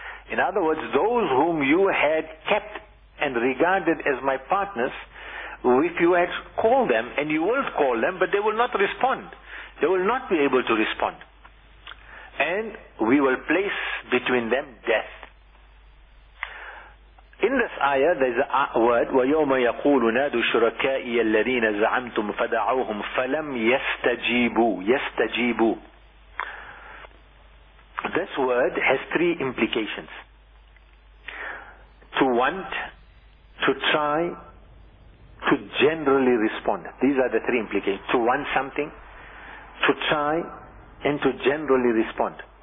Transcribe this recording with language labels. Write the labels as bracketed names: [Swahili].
[English] In other words, those whom you had kept and regarded as my partners, if you had called them, and you will call them, but they will not respond. They will not be able to respond. And we will place between them death. In this ayah, there is a word, [Arabic] وَيَوْمَ يَقُولُ نَادُوا شُرَكَائِيَ الَّذِينَ زَعَمْتُمْ فَدَعَوْهُمْ فَلَمْ يَسْتَجِيبُوا. يَسْتَجِيبُوا. [English] This word has three implications. To want, to try, to generally respond. These are the three implications. To want something, to try, and to generally respond.